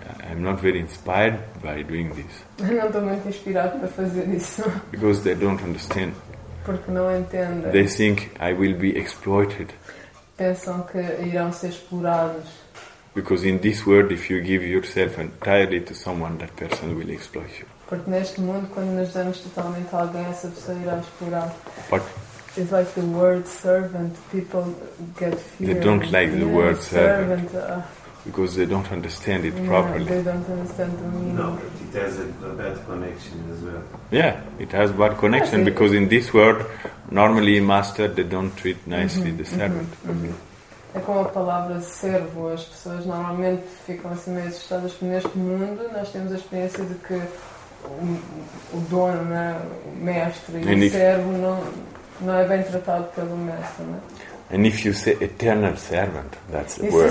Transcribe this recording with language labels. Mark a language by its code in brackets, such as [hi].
[en] I'm not very inspired by doing this. [pt] Não estou muito inspirado para fazer isso. [en] Because they don't understand. [pt] Porque não entendem. [en] They think I will be exploited. [pt] Pensam que irão ser explorados. [en] Because in this world, if you give yourself entirely to someone, that person will exploit you. [pt] Porque neste mundo, quando nos damos totalmente a alguém, essa pessoa irá explorar. [en] But it's like the word servant. People get fear. They don't like the word servant. Because they don't understand it properly. They don't understand the meaning. No, but it has a bad connection as well. Yeah, it has bad connection because in this world, normally master, they don't treat nicely the servant. [pt] É como a palavra servo. As pessoas normalmente ficam assim meio assustadas. Neste mundo, nós temos a experiência de que o dono, né, o mestre e o servo não é bem tratado pelo mestre, né? [en] And if you say eternal servant, that's the word.